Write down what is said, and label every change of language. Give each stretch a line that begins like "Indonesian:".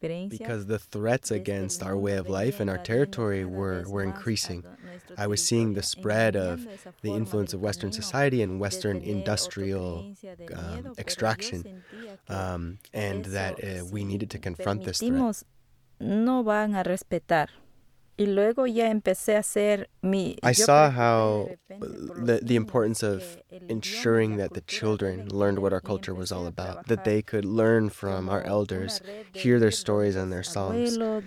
English: Because the threats against our way of life and our territory were increasing. I was seeing the spread of the influence of Western society and Western industrial extraction, and that we needed to confront this threat.
Spanish: No van a respetar. Y luego ya empecé a hacer mi.
English: I saw how the importance of ensuring that the children learned what our culture was all about, that they could learn from our elders, hear their stories and their songs.